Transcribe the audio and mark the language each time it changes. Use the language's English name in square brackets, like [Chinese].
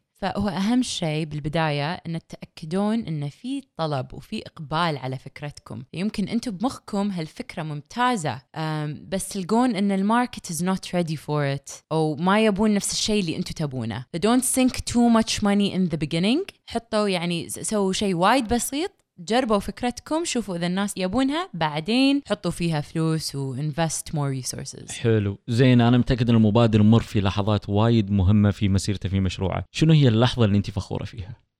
[Arabic] فهو أهم شيء بالبداية أن تتأكدون أن في طلب وفي إقبال على فكرتكم. يمكن أنتم بمخكم هالفكرة ممتازة, بس تلقون أن الماركت [English] is not ready for it, [Arabic] أو ما يبون نفس الشيء اللي أنتم تبونه. [English] Don't sink too much money in the beginning. [Arabic] حطوا يعني سووا شيء وايد بسيط, جربوا فكرتكم, شوفوا إذا الناس يبونها, بعدين حطوا فيها فلوس و [English] invest more resources. [Arabic] حلو زين, أنا متأكد أن المبادر مر في لحظات وايد مهمة في مسيرته في مشروعه. شنو هي اللحظة اللي أنت فخورة فيها؟